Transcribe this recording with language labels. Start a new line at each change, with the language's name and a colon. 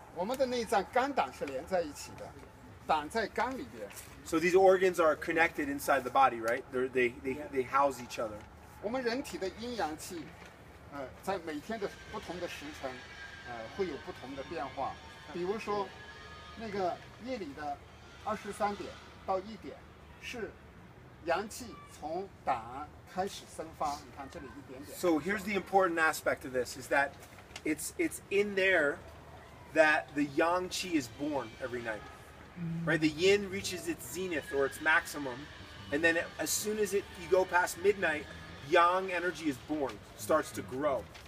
Chinese: 我们的内脏肝胆是连在一起的, 胆在肝里边。
English: So these organs are connected inside the body, right? They house each other.
Chinese: 我们人体的阴阳气, 在每天的不同的时辰, 会有不同的变化。比如说, 那个夜里的23点到1点, 是阳气从胆开始生发, 你看这里一点点。
English: So here's the important aspect of this, is that it's in there that the yang qi is born every night. Right, the yin reaches its zenith or its maximum, and then as soon as you go past midnight, yang energy is born, starts to grow.